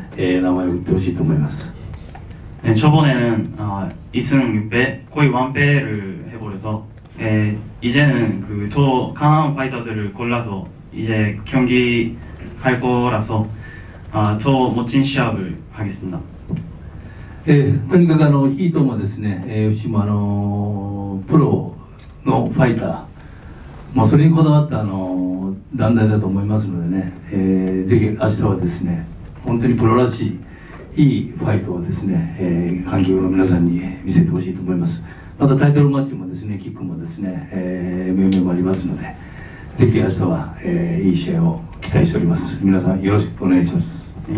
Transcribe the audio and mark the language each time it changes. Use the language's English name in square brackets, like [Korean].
[Japanese] 名前を打ってほしいと思います。 [Korean] 초번에는 이승윤배 거의 완패를 해버려서 이제는 그 더 강한 파이터들을 골라서 이제 경기 할 거라서 더 멋진 시합을 하겠습니다. [Japanese] とにかく ヒートもですね、FC も プロのファイター、もうそれにこだわった団体だと思いますのでね、ぜひ明日はですね、本当にプロらしいいいファイトをですね、観客の皆さんに見せてほしいと思いますまたタイトルマッチもですねキックもですね、MMA もありますのでぜひ明日は、いい試合を期待しております皆さんよろしくお願いします